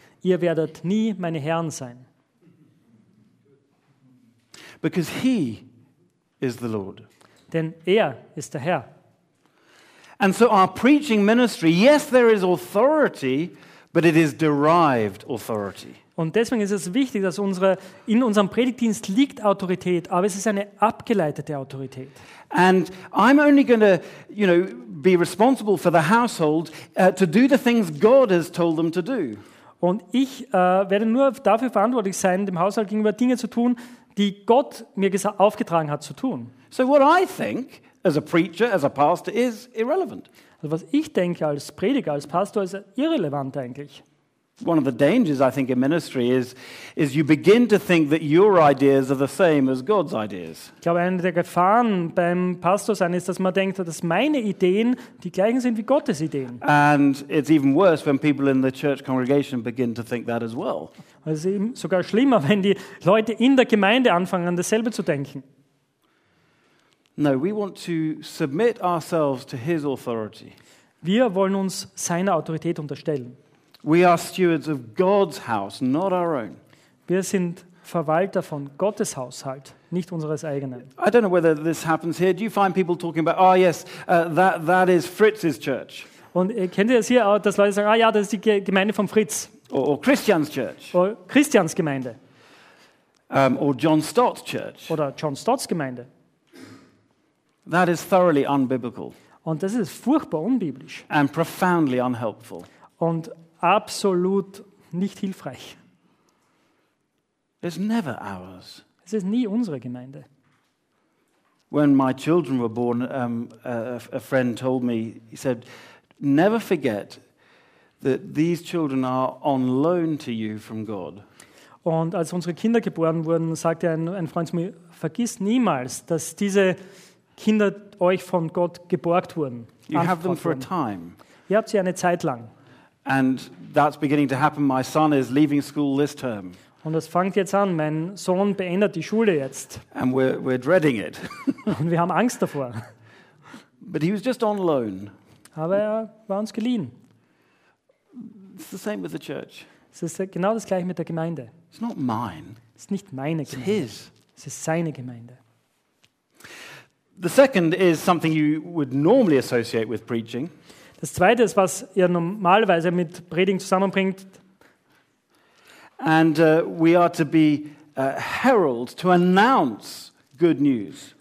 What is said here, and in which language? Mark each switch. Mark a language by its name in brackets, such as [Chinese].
[German] Ihr werdet nie meine Herren sein. [English] Because he is the Lord. [German] Denn er ist der Herr. [English] And so our preaching ministry, yes, there is authority, but it is derived authority. [German] Und deswegen ist es wichtig, dass in unserem Predigtdienst liegt Autorität, aber es ist eine abgeleitete Autorität. [English] And I'm only going to, you know, be responsible for the household to do the things God has told them to do. [German] Und ich werde nur dafür verantwortlich sein, dem Haushalt gegenüber Dinge zu tun, die Gott mir aufgetragen hat zu tun. [English] So what I think as a preacher, as a pastor is irrelevant. [German] Also was ich denke als Prediger, als Pastor ist irrelevant eigentlich. [English] One of the dangers I think in ministry is you begin to think that your ideas are the same as God's ideas. [German] Ich glaube, eine der Gefahren beim Pastor sein ist, dass man denkt, dass meine Ideen die gleichen sind wie Gottes Ideen. [English] And it's even worse when people in the church congregation begin to think that as well. [German] Es ist eben sogar schlimmer, wenn die Leute in der Gemeinde anfangen, dasselbe zu denken. [English] No, we want to submit ourselves to his authority. [German] Wir wollen uns seiner Autorität unterstellen. [English] We are stewards of God's house, not our own. [German] Wir sind Verwalter von Gottes Haushalt, nicht unseres eigenen. [English] I don't know whether this happens here. Do you find people talking about, oh yes, that is Fritz's church? [German] Und kennt ihr das hier auch, dass Leute sagen, ah ja, das ist die Gemeinde von Fritz. [English] Or Christian's church. [German] Oder Christians Gemeinde. [English] Or John Stott's church. [German] Oder John Stott's Gemeinde. [English] That is thoroughly unbiblical. [German] Und das ist furchtbar unbiblisch. [English] And profoundly unhelpful. [German] Und absolut nicht hilfreich. [English] It's never ours. [German] Es ist nie unsere Gemeinde. [English] When my children were born, a friend told me, he said, never forget that these children are on loan to you from God. [German] Und als unsere Kinder geboren wurden, sagte ein Freund zu mir, vergiss niemals, dass diese Kinder euch von Gott geborgt wurden. [English] You have them for a time. [German] Ihr habt sie eine Zeit lang. [English] And that's beginning to happen. My son is leaving school this term. [German] Und das fängt jetzt an. Mein Sohn beendet die Schule jetzt. [English] And we're dreading it. [German] Und wir haben Angst davor. [English] But he was just on loan. [German] Aber er war uns geliehen. [English] It's the same with the church. [German] Es ist genau das gleiche mit der Gemeinde. [English] It's not mine. [German] Es ist nicht meine Gemeinde. [English] It's his. [German] Es ist seine Gemeinde. [English] The second is something you would normally associate with preaching. [German] Das zweite ist, was ihr normalerweise mit Predigen zusammenbringt. [English] And we are to be heralds, to announce good news.